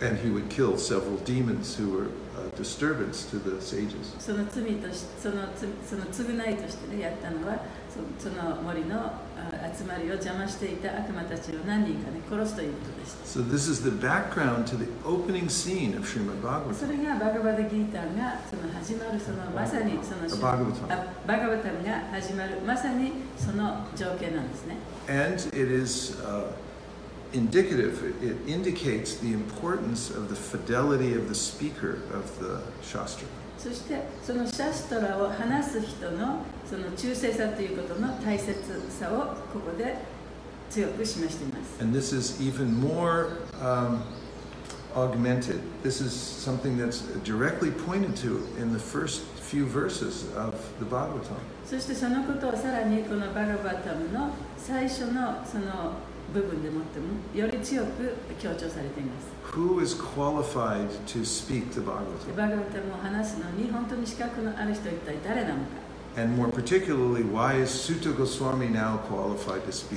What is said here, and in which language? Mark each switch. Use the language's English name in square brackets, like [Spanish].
[English] And he would kill several demons who were a disturbance to the sages. [Japanese] その罪とし、その償いとして、ね、やったのは、その森の集まりを邪魔していた悪魔たちを何人か、ね、殺すということでした。 [English] So this is the background to the opening scene of Srimad Bhagavatam. [Japanese] それがバガヴァッド・ギーターがその始まる、そのまさにそのバガヴァッドが始まる、まさにその情景なんですね。 [English] And it is, indicative, it indicates the importance of the fidelity of the speaker of the shastra. [Japanese] そしてそのシャストラを話す人のその忠誠さということの大切さをここで強く示しています。 [English] And this is even more augmented. This is something that's directly pointed to in the first few verses of the Bhagavatam. [Japanese] そしてそのことをさらにこのバガヴァタムの最初のその部分でもってもより強く強調されています。 [English] Who is qualified to speak the Bhagavatam? [Japanese] バガヴァタムを話すのに本当に資格のある人は一体誰なのか。 [English] And more particularly, why is Suta Goswami now qualified to speak?